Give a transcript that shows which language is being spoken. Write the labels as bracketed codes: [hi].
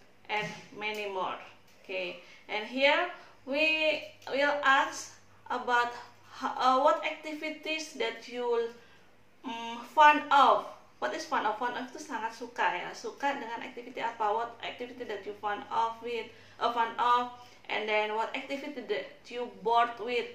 [en] And many more. Okay, and here we will ask about what activities that you fond of. What is fond of? [id] Fond of itu sangat suka ya. Suka dengan activity apa? [en] What activity that you fond of with? Fond of. And then what activity that you bored with?